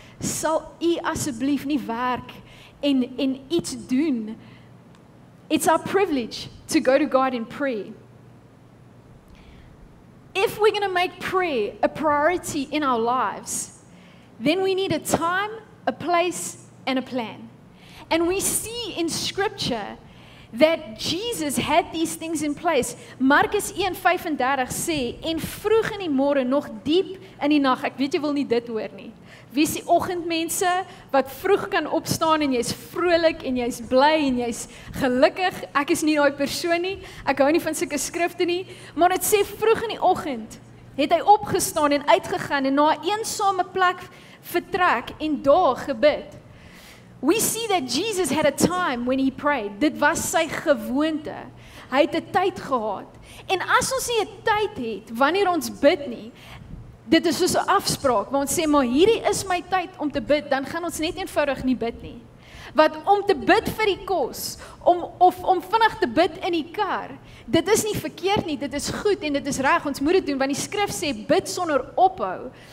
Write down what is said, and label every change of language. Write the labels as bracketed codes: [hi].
[af] Sal U asseblief nie werk en iets doen? [en] It's our privilege to go to God in prayer. If we're going to make prayer a priority in our lives, then we need a time, a place, and a plan. And we see in Scripture that Jesus had these things in place. [af] Markus 1:35 sê, en vroeg in die môre, nog diep in die nag, ek weet jy wil nie dit hoor nie. Wie is die oggendmense wat vroeg kan opstaan en jy is vrolik en jy is bly en jy is gelukkig? Ek is nie daai persoon nie, ek hou nie van sulke skrifte nie, maar het sê vroeg in die oggend, het hy opgestaan en uitgegaan en na 'n eensame plek vertrek en daar gebid. [en] We see that Jesus had a time when he prayed. [af] Dit was sy gewoonte. Hy het 'n tyd gehad. En as ons nie 'n tyd het wanneer ons bid nie, dit is soos 'n afspraak, waar ons sê, maar hierdie is my tyd om te bid, dan gaan ons net eenvoudig nie bid nie. Wat om te bid vir die kos, om vinnig te bid in die kar, dit is nie verkeerd nie, dit is goed en dit is reg, ons moet dit doen, want die skrif sê, bid sonder ophou.